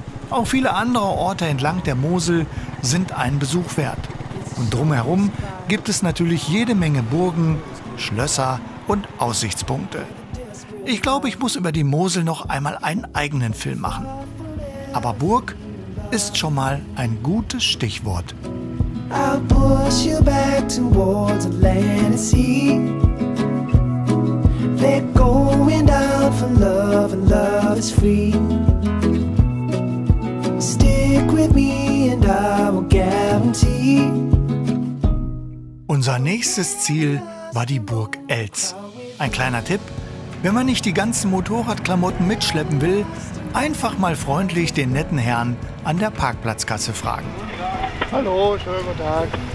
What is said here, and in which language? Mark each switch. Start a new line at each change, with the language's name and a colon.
German: Auch viele andere Orte entlang der Mosel sind einen Besuch wert. Und drumherum gibt es natürlich jede Menge Burgen, Schlösser und Aussichtspunkte. Ich glaube, ich muss über die Mosel noch einmal einen eigenen Film machen. Aber Burg ist schon mal ein gutes Stichwort.
English: I'll push you back towards Atlantic Sea. They're going down for love and love is free. Stick with me and I will guarantee.
German: Unser nächstes Ziel war die Burg Elz. Ein kleiner Tipp, wenn man nicht die ganzen Motorradklamotten mitschleppen will, einfach mal freundlich den netten Herrn an der Parkplatzkasse fragen. Hallo, schönen guten Tag.